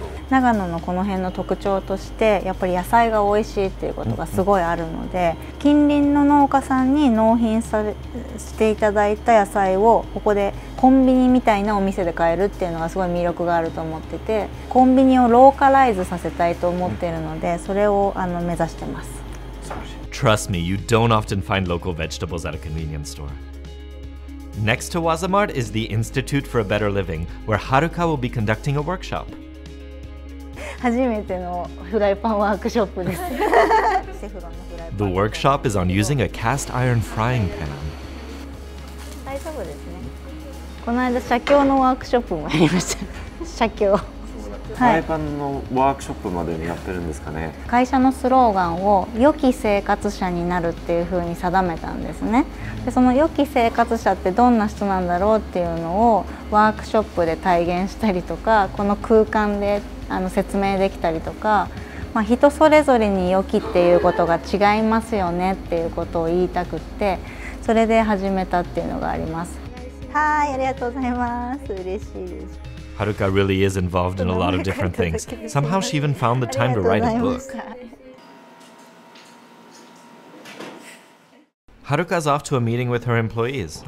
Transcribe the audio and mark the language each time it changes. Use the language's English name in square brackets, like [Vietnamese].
[Japanese] 長野のこの辺の特徴としてやっぱり野菜が美味しいっていうことがすごいあるので、うんうん、近隣の農家さんに納品されしていただいた野菜をここでコンビニみたいなお店で買えるっていうのがすごい魅力があると思ってて、コンビニをローカライズさせたいと思ってるので、うん、それを目指してます。 [English] Trust me, you don't often find local vegetables at a convenience storeNext to Wazamart is the Institute for a Better Living, where Haruka will be conducting a workshop. [Japanese] 初めてのフライパンワークショップです。シェフロンのフライパン。 [English] The workshop is on using a cast iron frying pan. [Japanese] 大丈夫ですね。この間、写経のワークショップもありました。写経。フライパンのワークショップまでにやってるんですかね。会社のスローガンを良き生活者になるっていう風に定めたんですね。でその良き生活者ってどんな人なんだろうっていうのをワークショップで体現したりとか、この空間で説明できたりとか、まあ、人それぞれに良きっていうことが違いますよねっていうことを言いたくって、それで始めたっていうのがあります。はい、ありがとうございます。嬉しいです。 [English] Haruka really is involved in a lot of different things. Somehow she even found the time to write a book. Haruka's off to a meeting with her employees.